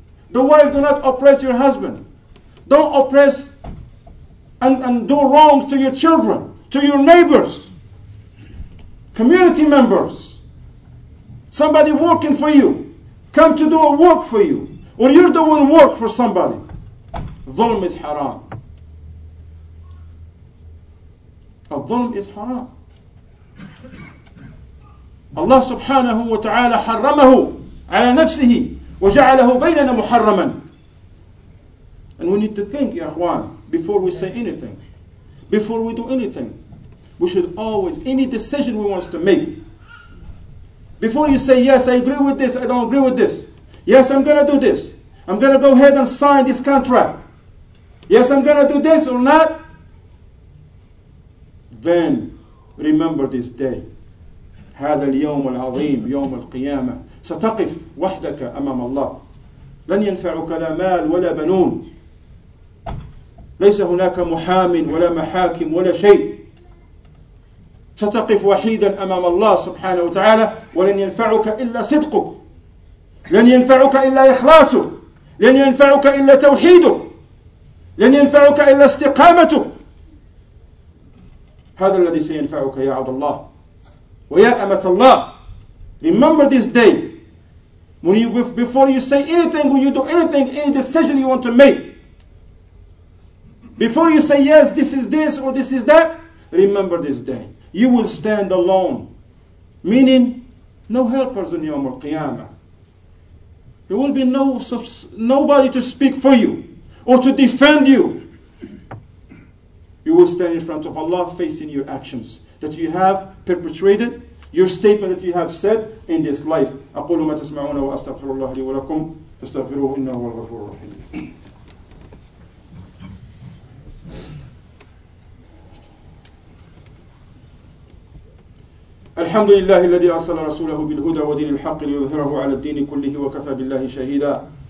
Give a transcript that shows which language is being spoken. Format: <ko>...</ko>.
<en>The wife, do not oppress your husband. Don't oppress and do wrongs to your children, to your neighbors, community members, somebody working for you, come to do a work for you, or you're doing work for somebody. Dhulm is haram. الظلم is haram.</en> <ar>Allah subhanahu wa ta'ala حرمه على نفسه وجعله بيننا محرما.</ar> <en>And we need to think, ya akhwan, before we say anything, before we do anything, we should always, any decision we want to make, before you say, yes, I agree with this, I don't agree with this, yes, I'm going to do this, I'm going to go ahead and sign this contract, yes, I'm going to do this or not, then remember this day.</en> <ar>هذا اليوم العظيم يوم القيامة ستقف وحدك أمام الله لن ينفعك لا مال ولا بنون ليس هناك محام ولا محاكم ولا شيء ستقف وحيدا أمام الله سبحانه وتعالى ولن ينفعك إلا صدقك لن ينفعك إلا إخلاصك لن ينفعك إلا توحيدك لن ينفعك إلا استقامتك. هذا الذي سينفعك يا عبد الله ويا أمة الله.</ar> <en>Remember this day. When you, before you say anything, when you do anything, any decision you want to make, before you say yes, this is this or this is that, remember this day. You will stand alone. Meaning, no helpers in Yawm al-Qiyamah. There will be nobody to speak for you or to defend you. You will stand in front of Allah facing your actions that you have perpetrated, your statement that you have said in this life.</en> <ar>أقول ما تسمعون وأستغفر الله لي ولكم فاستغفروه إنه هو الغفور الرحيم. الحمد لله الذي أرسل رسوله بالهدى ودين الحق ليظهره على الدين كله وكفى بالله شهيدا.</ar>